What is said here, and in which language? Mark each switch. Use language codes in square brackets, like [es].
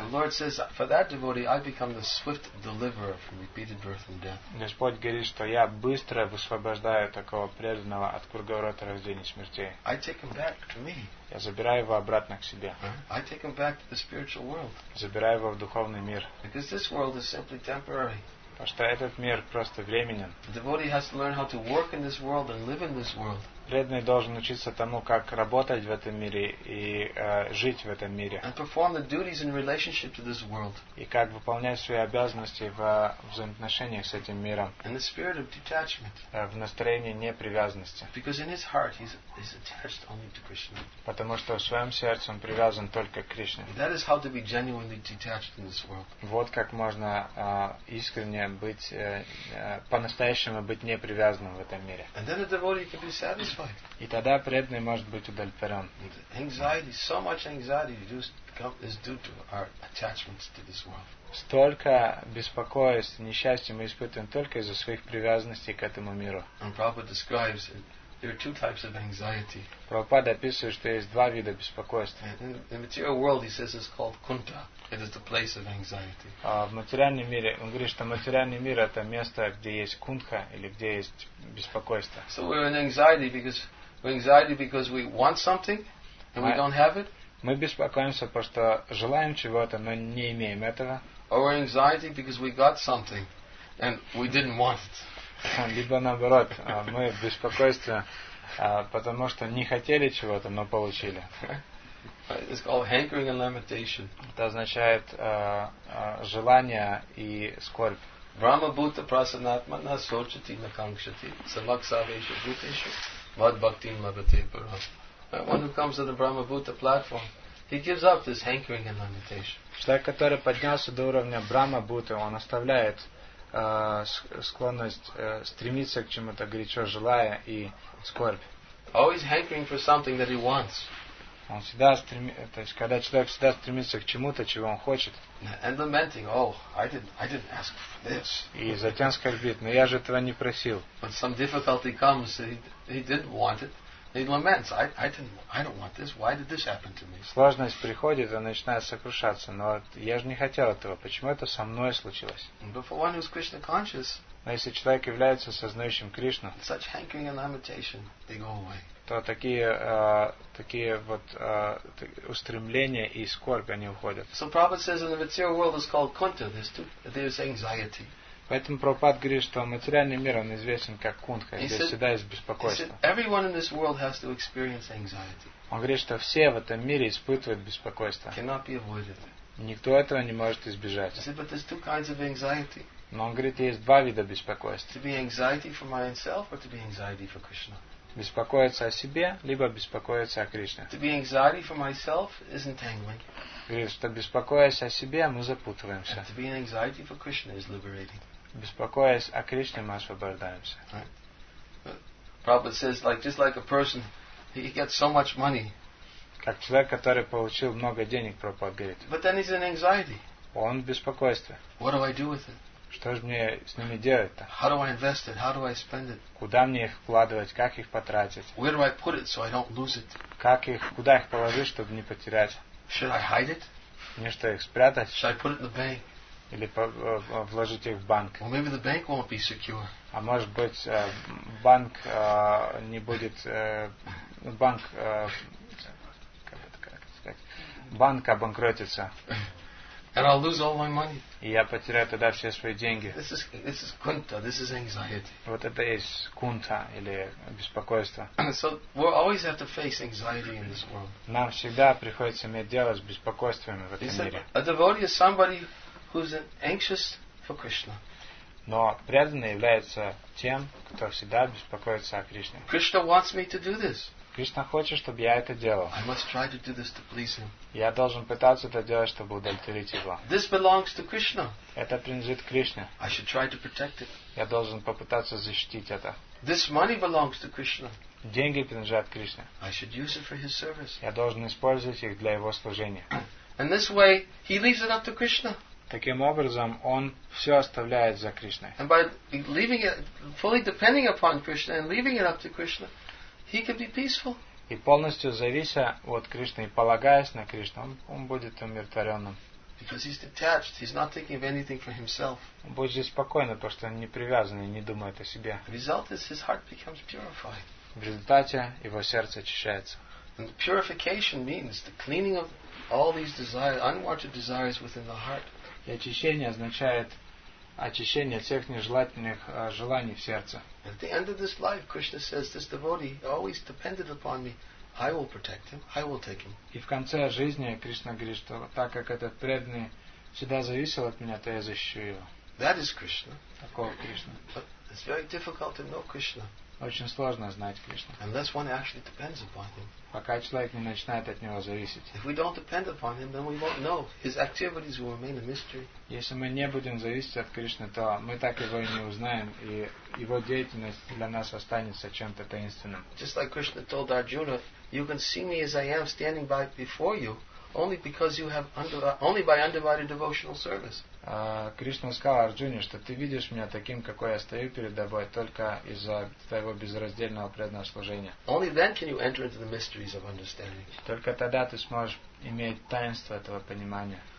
[en] the Lord says, for that devotee, I become the swift deliverer from repeated birth and death. [ru] Господь говорит, что я быстро высвобождаю такого преданного от круговорота рождения и смерти. [en] I take him back to me. [ru] Я забираю его обратно к себе. [en] I take him back to the spiritual world. [ru] Забираю его в духовный мир. [en] Because this world is simply temporary. [ru] Потому что этот мир просто временен. [en] The devotee has to learn how to work in this world and live in this world. [ru] преданный должен учиться тому, как работать в этом мире и жить в этом мире. [en] And perform the duties in relationship to this world. [ru] И как выполнять свои обязанности в взаимоотношениях с этим миром. [en] In the spirit of detachment. [ru] В настроении непривязанности. [en] Because in his heart he's attached only to Krishna. [ru] Потому что в своем сердце он привязан только к Кришне. [en] That is how to be genuinely detached in this world. [ru] Вот как можно искренне быть, по-настоящему быть непривязанным в этом мире. [en] And then a devotee can be satisfied. [ru] И тогда преданный может быть удовлетворен. [en] Anxiety, so much anxiety is due to our attachments to this world. [ru] Столько беспокойств, несчастья мы испытываем только из-за своих привязанностей к этому миру. [en] And Prabhupada describes there are two types of anxiety. [ru] Прабхупада описывает, что есть два вида беспокойства. [en] In the material world, he says, is called kunta. It is the place of anxiety. [ru] В материальном мире он говорит, что материальный мир это место, где есть кунха или где есть беспокойство. [en] So we're in anxiety because we want something and we don't have it. [ru] Мы беспокоимся, потому что желаем чего-то, но не имеем этого. [en] Or we're in anxiety because we got something and we didn't want it. [ru] Либо наоборот, мы в беспокойстве, потому что не хотели чего-то, но получили. [en] It's called hankering and lamentation. [ru] Это означает желание и скорбь. [sa] Brahma Bhuta Prasanatmana Sochati Nakankshati Samaksavesha Bhuteshu Vad Bhakti Mabhate Param. [en] One who comes to the Brahma Bhuta platform, he gives up this hankering and lamentation. [ru] Человек, который поднялся до уровня Брахма Бхуты, он оставляет склонность стремиться к чему-то горячо желая и скорбь. [en] Always hankering for something that he wants. [ru] Он всегда то есть когда человек всегда стремится к чему-то, чего он хочет. [en] And lamenting, I didn't ask for this. [ru] И затем скорбит, но я же этого не просил. [en] But some difficulty comes, he didn't want it. He laments, I don't want this. Why did this happen to me? [ru] Сложность приходит, он начинает сокрушаться, но я же не хотел этого. Почему это со мной случилось? [en] But for one who's Krishna conscious, [ru] но если человек является сознающим Кришну, [en] such hankering and lamentation, they go away. [ru] То такие, такие вот устремления и скорбь, они уходят. [en] So Prabhupada says in the material world is called kunta. There's anxiety. [ru] Поэтому Прабхупада говорит, что материальный мир он известен как кунтха. Здесь всегда есть беспокойство. [en] Everyone in this world has to experience anxiety. [ru] Он говорит, что все в этом мире испытывают беспокойство. [en] Cannot be avoided. [ru] Никто этого не может избежать. [en] He said, but there's two kinds of anxiety. [ru] Но он говорит, есть два вида беспокойства. [en] To be anxiety for myself or to be anxiety for Krishna. [ru] Беспокоиться о себе, либо беспокоиться о Кришне. [en] To be anxiety for myself is entangling. [ru] Говорит, что беспокоясь о себе, мы запутываемся. [en] And to be anxiety for Krishna is liberating. [ru] Беспокоясь о Кришне, мы освобождаемся. [en] Right. Prabhupada says, like just like a person, he gets so much money. [ru] Как человек, который получил много денег, Прабхупада говорит. [en] But then he's in anxiety. [ru] Он в беспокойстве. [en] What do I do with it? [ru] Что же мне с ними делать-то? [en] How do I invest it? How do I spend it? [ru] Куда мне их вкладывать? Как их потратить? [en] Where do I put it so I don't lose it? [ru] Как их, куда их положить, чтобы не потерять? [en] Should I hide it? [ru] Мне что, их спрятать? [en] Should I put it in the bank? [ru] Или вложить их в банк? [en] Well, maybe the bank won't be secure. [ru] А может быть, банк не будет... банк... как это сказать? Банк обанкротится. [en] And I'll lose all my money. [ru] И я потеряю тогда все свои деньги. [en] This is kunta, this is anxiety. [ru] Вот это есть кунта или беспокойство. [en] So we always have to face anxiety in this world. [ru] Нам всегда приходится иметь дело с беспокойствами в этом мире. [en] A devotee is somebody who's anxious for Krishna. [ru] Но преданный является тем, кто всегда беспокоится о Кришне. [en] Krishna wants me to do this. [ru] Кришна хочет, чтобы я это делал. [en] I must try to do this to please him. [ru] Я должен пытаться это делать, чтобы удовлетворить его. [en] This belongs to Krishna. [ru] Это принадлежит Кришне. [en] I should try to protect it. [ru] Я должен попытаться защитить это. [en] This money belongs to Krishna. [ru] Деньги принадлежат Кришне. [en] I should use it for his service. [ru] Я должен использовать их для его служения. [en] And this way, he leaves it up to Krishna. [ru] Таким образом, он все оставляет за Кришной. [en] And by leaving it, fully depending upon Krishna and leaving it up to Krishna, he can be peaceful. [ru] И полностью завися от Кришны и полагаясь на Кришну, он будет умиротворенным. [en] Because he's detached, he's not thinking of anything for himself. [ru] Он будет здесь спокойно, потому что он не привязан и не думает о себе. [en] The result is his heart becomes purified. [ru] В результате его сердце очищается. [en] And the purification means the cleaning of all these desires, unwanted desires within the heart. [ru] И очищение означает очищение всех нежелательных желаний в сердце. [en] At the end of this life, Krishna says, this devotee always depended upon me. I will protect him. I will take him. [ru] И в конце жизни Кришна говорит, что так как этот преданный всегда зависел от меня, то я защищу его. [en] That is Krishna. [ru] Такого Кришна. [en] But it's very difficult to know Krishna. [ru] Очень сложно знать Кришну. [en] Unless one actually depends upon him. [ru] Пока человек не начинает от него зависеть. [en] If we don't depend upon him, then we won't know. His activities will remain a mystery. [ru] Если мы не будем зависеть от Кришны, то мы так его и не узнаем, и его деятельность для нас останется чем-то таинственным. [en] Just like Krishna told Arjuna, you can see me as I am standing by before you, only because you have only by undivided devotional service. [ru] Кришна сказал Арджуне, что ты видишь меня таким, какой я стою перед тобой, только из-за твоего безраздельного преданного служения. [en] Only then can you enter into the mysteries of understanding. [ru] Только тогда ты сможешь иметь таинство этого понимания.